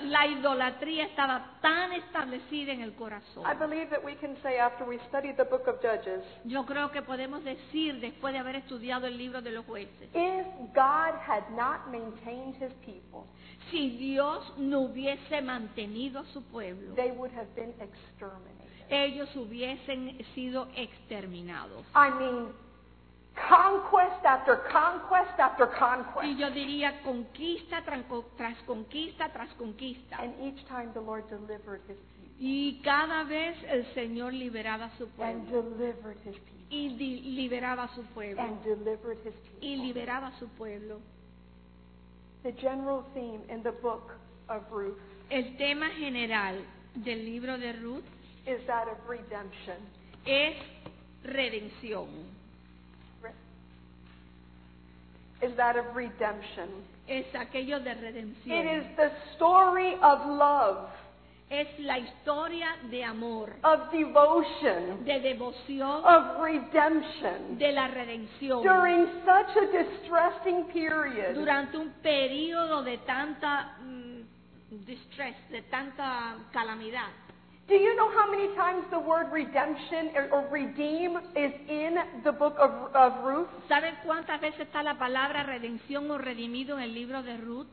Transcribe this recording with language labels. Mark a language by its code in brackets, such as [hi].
[es] La idolatría estaba tan establecida en el corazón. [en] I believe that we can say after we studied the book of Judges. [es] Yo creo que podemos decir después de haber estudiado el libro de los jueces. [en] If God had not maintained his people. [es] Si Dios no hubiese mantenido a su pueblo. [en] They would have been exterminated. [es] Ellos hubiesen sido exterminados. [en] I mean, conquest after conquest after conquest. [es] Y yo diría conquista tras conquista tras conquista. [en] And each time the Lord delivered his people. [es] Y cada vez el Señor liberaba a su pueblo. [en] And delivered his people. [es] Y liberaba a su pueblo. [en] And delivered his people. [es] Y liberaba a su pueblo. [en] The general theme in the book of Ruth. [es] El tema general del libro de Ruth. [en] Is that of redemption? [es] Es redención. [en] Is that of redemption? [es] Es aquello de redención. [en] It is the story of love. [es] Es la historia de amor. [en] Of devotion. [es] De devoción. [en] Of redemption. [es] De la redención. [en] During such a distressing period. [es] Durante un periodo de tanta [en] distress, [es] de tanta calamidad. [en] Do you know how many times the word redemption or redeem is in the book of Ruth? [es] ¿Saben cuántas veces está la palabra redención o redimido en el libro de Ruth?